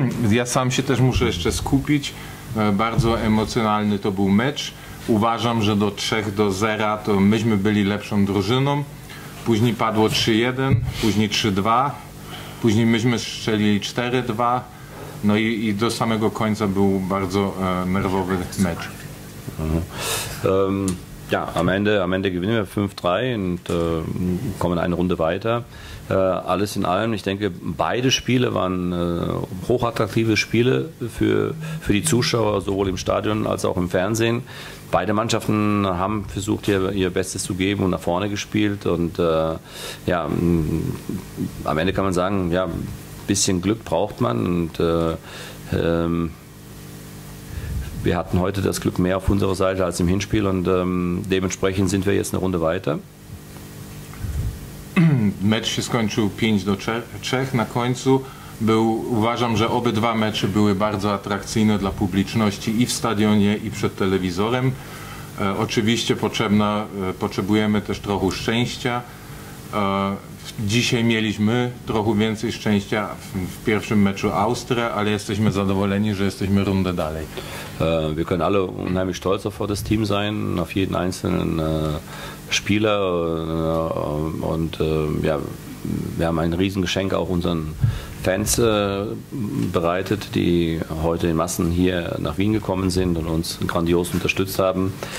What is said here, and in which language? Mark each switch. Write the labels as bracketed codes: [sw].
[pl] Ja sam się też muszę jeszcze skupić. Bardzo emocjonalny to był mecz. Uważam, że do 3-0 to myśmy byli lepszą drużyną. Później padło 3-1, później 3-2, później myśmy strzelili 4-2, no i do samego końca był bardzo nerwowy mecz. [de] Ja, am Ende gewinnen wir 5-3 und kommen eine Runde weiter. Alles in allem, ich denke, beide Spiele waren hochattraktive Spiele für die Zuschauer, sowohl im Stadion als auch im Fernsehen. Beide Mannschaften haben versucht, ihr Bestes zu geben und nach vorne gespielt. Und ja, am Ende kann man sagen, ja, ein bisschen Glück braucht man. Und wir hatten heute das Glück mehr auf unserer Seite als im Hinspiel und dementsprechend sind wir jetzt eine Runde weiter. [pl] Mecz się skończył 5-3 na końcu. Uważam, że obydwa mecze były bardzo atrakcyjne dla publiczności i w stadionie, i przed telewizorem. Oczywiście potrzebujemy też trochę szczęścia. Dzisiaj mieliśmy trochę więcej szczęścia w pierwszym meczu Austria, ale jesteśmy zadowoleni, że jesteśmy rundę dalej. [de] Wir können alle unheimlich stolz auf das Team sein, auf jeden einzelnen Spieler. Und ja, wir haben ein Riesengeschenk auch unseren Fans bereitet, die heute in Massen hier nach Wien gekommen sind und uns grandios unterstützt haben.